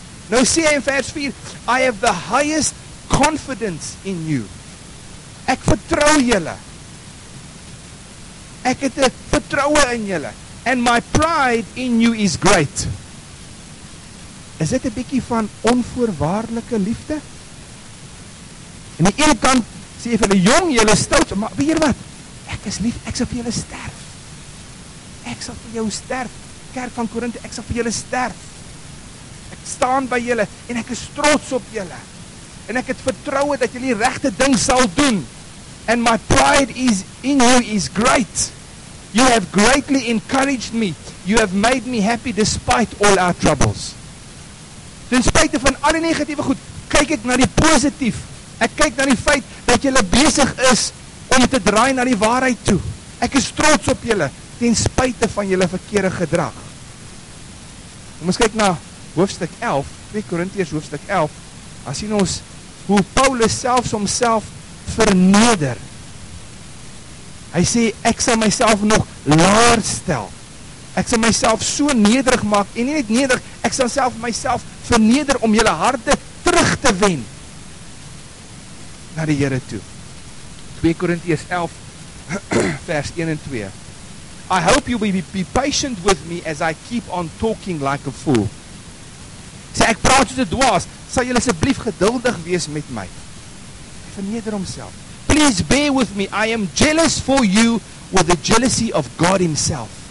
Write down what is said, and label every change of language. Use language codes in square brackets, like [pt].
[af] Nou sê hy in vers 4, [en] I have the highest confidence in you. [af] Ek vertrou julle. Ek het 'n vertroue in julle. [en] And my pride in you is great. [af] Is dit 'n bietjie van onvoorwaardelike liefde? En die ene kant sê vir die jong, julle stout, maar weet wat? Ek is lief, ek sal vir julle sterf. Ek sal vir jou sterf. Kerk van Korinthe, ek sal vir julle sterf. Ek staan by julle en ek is trots op julle. En ek het vertroue dat julle die regte ding sal doen. [en] And my pride is in you is great. You have greatly encouraged me. You have made me happy despite all our troubles. [af] Ten spyte van alle negatieve goed, kyk ek na die positief. Ek kyk na die feit dat julle besig is om te draai na die waarheid toe. Ek is trots op julle, ten spyte van julle verkeerde gedrag. Kom ons kyk na hoofstuk 11, 2 Korintiërs hoofstuk 11. Daar sien ons hoe Paulus selfs homself verneder. Hy sê, ek sal myself nog laar stel. Ek sal myself so nederig maak, en nie net nederig, ek sal myself verneder om julle harte terug te wen na die Here toe. 2 Korintiërs 11 vers 1 en 2. [en] I hope you will be patient with me as I keep on talking like a fool. [af] Sê ek praat soos 'n dwaas, sal julle asseblief geduldig wees met my. Hy verneder homself. [en] Please bear with me, I am jealous for you with the jealousy of God himself.